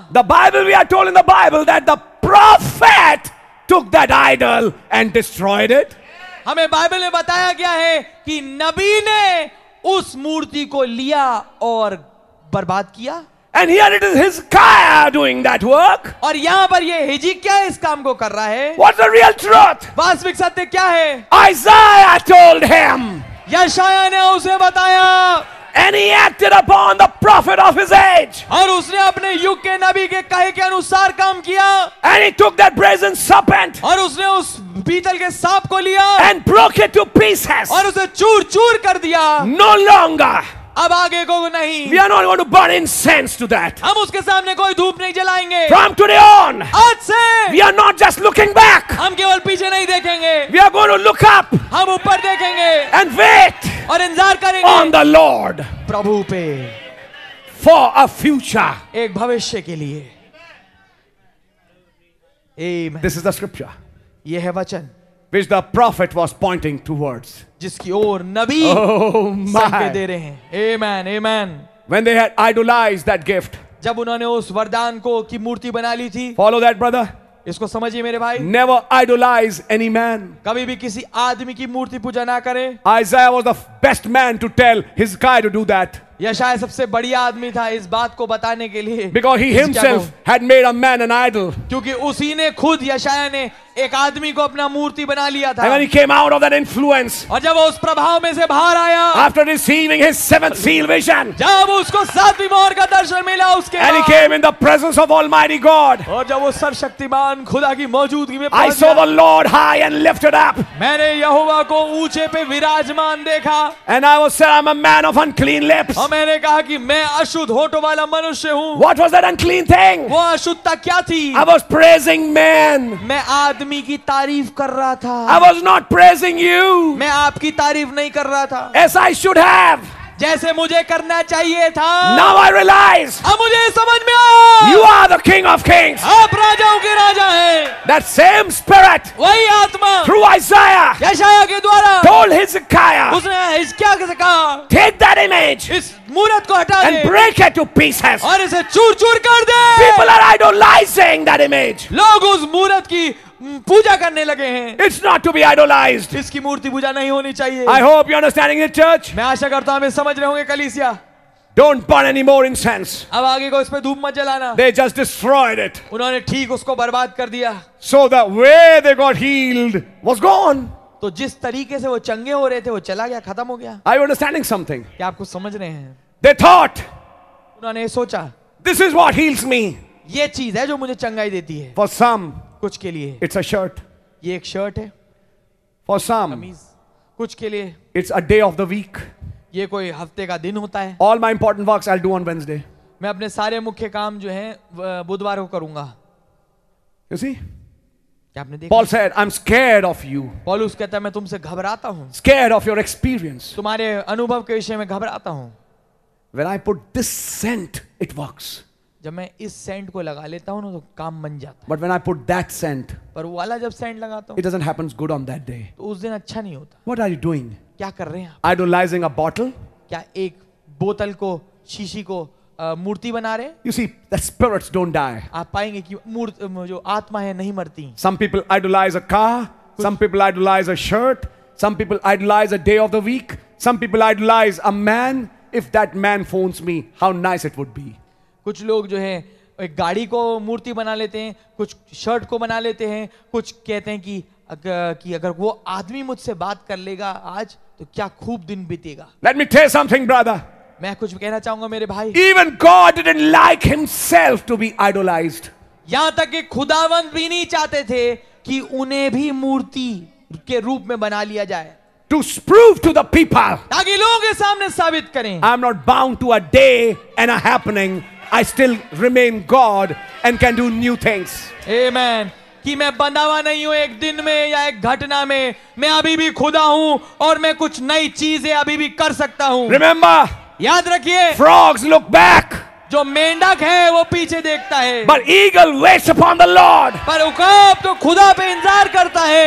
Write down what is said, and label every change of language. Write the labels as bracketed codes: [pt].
[en] The Bible, we are told in the Bible that the prophet took that idol and destroyed it. [hi] हमें Bible में बताया गया है कि नबी ने उस मूर्ति को लिया और बर्बाद किया. [en] And here it is Hezekiah doing that work. [hi] और यहां पर ये हिजकिय्याह इस काम को कर रहा है. [en] What's the real truth? [hi] वास्तविक सत्य क्या है? [en] Isaiah told him. [hi] यशाया ने उसे बताया. [en] And he acted upon the prophet of his age. [hi] और उसने अपने युग के नबी के कहे के अनुसार काम किया. [en] And he took that brazen serpent. [hi] और उसने उस पीतल के सांप को लिया. [en] And broke it to pieces. [hi] और उसे चूर चूर कर दिया. [en] No longer. [hi] अब आगे को नहीं. [en] We are not going to burn incense to that. [hi] हम उसके सामने कोई धूप नहीं जलाएंगे. [en] From today on. [hi] आज से. [en] We are not just looking back. [hi] हम केवल पीछे नहीं देखेंगे. [en] We are going to look up. [hi] हम ऊपर देखेंगे. [en] And wait. [hi] और इंतजार करेंगे. [en] On the Lord. [hi] प्रभु पे. [en] For a future. [hi] एक भविष्य के लिए. [en] Amen. This is the scripture. [hi] ये है वचन. [en] Which the prophet was pointing towards. [hi] जिसकी ओर नबी संकेत दे रहे हैं. [en] Amen, amen. When they had idolized that gift. [hi] जब उन्होंने उस वरदान को की मूर्ति बना ली थी. [en] Follow that, brother. [hi] इसको समझिए मेरे भाई. [en] Never idolize any man. [hi] कभी भी किसी आदमी की मूर्ति पूजा ना करें. [en] Isaiah was the best man to tell his guy to do that. [hi] यशायाह सबसे बढ़िया आदमी था इस बात को बताने के लिए. [en] Because he himself had made a man an idol. [hi] क्योंकि उसी ने खुद यशायाह ने एक आदमी को अपना मूर्ति बना लिया था. [en] And when he came out of that influence. [hi] और जब वो उस प्रभाव में से बाहर आया. [en] After receiving his seventh seal vision. [hi] जब उसको सातवीं मोहर का दर्शन मिला उसके. [en] And he came in the presence of Almighty God. [hi] और जब वो सर्वशक्तिमान खुदा की मौजूदगी में. [en] I saw the Lord high and lifted up. [hi] मैंने यहोवा को ऊंचे पे विराजमान देखा. [en] And I was said, I'm a man of unclean lips. [hi] मैंने कहा कि मैं अशुद्ध होठों वाला मनुष्य हूँ. [en] What was that unclean thing? [hi] वो अशुद्धता क्या थी? [en] I was praising man. [hi] मैं आदमी की तारीफ कर रहा था. [en] I was not praising you. [hi] मैं आपकी तारीफ नहीं कर रहा था. [en] As I should have. [hi] जैसे मुझे करना चाहिए था. [en] Now I realize. [hi] अब मुझे समझ में आया. [en] You are the King of Kings. [hi] आप राजाओं के राजा हैं. [en] That same spirit. [hi] वही आत्मा. [en] Through Isaiah. [hi] यशायाह के द्वारा. [en] Told Hezekiah. [hi] उसने हिजकिया से कहा. [en] Take that image. [hi] इस मूरत को हटा दे. [en] And break it to pieces. [hi] और इसे चूर-चूर कर दे. [en] People are idolizing that image. [hi] लोग उस मूरत की पूजा करने लगे हैं. [en] It's not to be idolized. [hi] इसकी मूर्ति पूजा नहीं होनी चाहिए. [en] I hope you're understanding it, church. [hi] मैं आशा करता हूँ हमें समझ रहे होंगे कलीसिया. [en] Don't burn any more incense. [hi] अब आगे को इस पे धूप मत जलाना. [en] They just destroyed it. [hi] उन्होंने ठीक उसको बर्बाद कर दिया. [en] So the way they got healed was gone. [hi] तो जिस तरीके से वो चंगे हो रहे थे वो चला गया, खत्म हो गया. [en] Are you understanding something? [hi] क्या आप कुछ समझ रहे हैं? [en] They thought. [hi] उन्होंने सोचा. [en] This is what heals me. [hi] ये चीज है जो मुझे चंगाई देती है. [en] For some. [hi] कुछ के लिए. [en] It's a shirt. [hi] ये एक शर्ट है. [en] For some. [hi] कमीज. कुछ के लिए. [en] It's a day of the week. [hi] ये कोई हफ्ते का दिन होता है. [en] All my important works I'll do on Wednesday. [hi] मैं अपने सारे मुख्य काम जो हैं बुधवार को करूंगा. [en] You see? [hi] क्या आपने देखा? [en] Paul said, I'm scared of you. [hi] पौलुस कहता है मैं तुमसे घबराता हूँ. [en] Scared of your experience. [hi] तुम्हारे अनुभव के विषय में घबराता हूँ. [en] When I put this scent, it works. [hi] जब मैं इस सेंट को लगा लेता हूँ ना तो काम बन जाता [en] है। But when I put that scent, [hi] पर वो वाला जब सेंट लगाता हूँ, [en] it doesn't happens good on that day. [hi] तो उस दिन अच्छा नहीं होता। [en] What are you doing? [hi] क्या कर रहे हैं [en] आप? Idolizing a bottle? [hi] क्या एक बोतल को, शीशी को मूर्ति बना रहे? [en] You see, the spirits don't die. [hi] आप पाएंगे कि जो आत्मा है नहीं मरती। [en] Some people idolize a car, some people idolize a shirt, some people idolize a day of the week, some people idolize a man. If that man phones me, how nice it would be. [hi] कुछ लोग जो हैं एक गाड़ी को मूर्ति बना लेते हैं, कुछ शर्ट को बना लेते हैं, कुछ कहते हैं कि अगर वो आदमी मुझसे बात कर लेगा आज तो क्या खूब दिन बीतेगा. [en] Let me tell something, brother. [hi] मैं कुछ कहना चाहूंगा मेरे भाई. [en] Even God didn't like himself to be idolized. [hi] यहां तक कि खुदावंत भी नहीं चाहते थे कि उन्हें भी मूर्ति के रूप में बना लिया जाए. [en] To prove to the people. [hi] ताकि लोगों के सामने साबित करें. [en] I am not bound to a day and a happening. I still remain God and can do new things. Amen. [hi] कि मैं बंधावा नहीं हूँ एक दिन में या एक घटना में. मैं अभी भी खुदा हूँ और मैं कुछ नई चीजें अभी भी कर सकता हूँ. [en] Remember. [hi] याद रखिए. [en] Frogs look back. [hi] जो मेंढक है वो पीछे देखता है. [en] But eagle waits upon the Lord. [hi] पर उकाब तो खुदा पे इंतजार करता है.